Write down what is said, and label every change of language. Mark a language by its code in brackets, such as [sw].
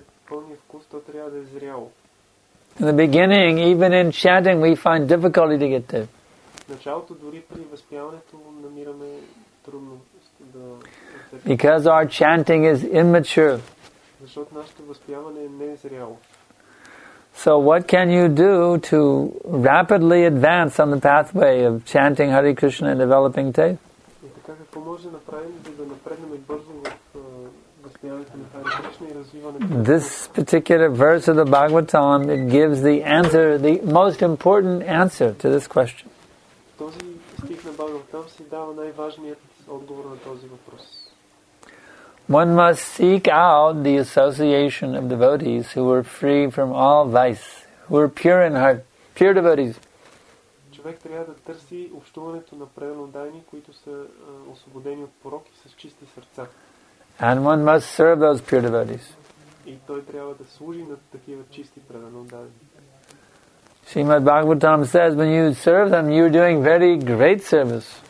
[en] In the beginning, even in chanting, we find difficulty to get to. [bg] Началото дори при възпяването намираме трудно да. [en] Because our chanting is immature. [bg] Защото нашето възпяване не е зряло. [en] So what can you do to rapidly advance on the pathway of chanting Hare Krishna and developing taste? [bg] И така какво може да направим, за да напреднем бързо в възпяването на Хари Кришна и развиването? [en] This particular verse of the Bhagavatam, it gives the answer, the most important answer to this question. [bg] Този стих на Бхагаватам си дава най-важният отговор на този въпрос. [en] One must seek out the association of devotees who are free from all vice, who are pure in heart, pure devotees. [bg] Човек трябва да търси общуването на преводачи, които са освободени от порок и с чисти сърца. [en] And one must serve those pure devotees. [bg] И той трябва да служи на такива чисти преводачи. [en] Srimad Bhagavatam says, when you serve them, you are doing very great service.